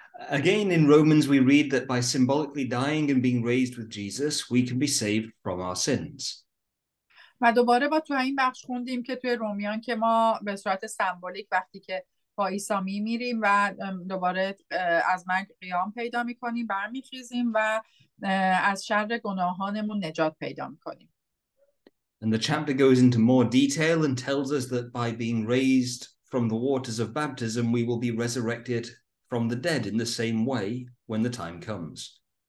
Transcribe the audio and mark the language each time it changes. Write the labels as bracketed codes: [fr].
[en] Again, in Romans, we read that by symbolically dying and being raised with Jesus, we can be saved from our sins. [fa] و دوباره با تو این بخش خوندیم که توی رومیان که ما به صورت سمبولیک وقتی که با عیسی میمیریم و دوباره از مرگ قیام پیدا میکنیم برمیخیزیم و از شر گناهانمون نجات پیدا میکنیم. [en] And the chapter goes into more detail and tells us that by being raised from the waters of baptism we will be resurrected from the dead in the same way when the time comes.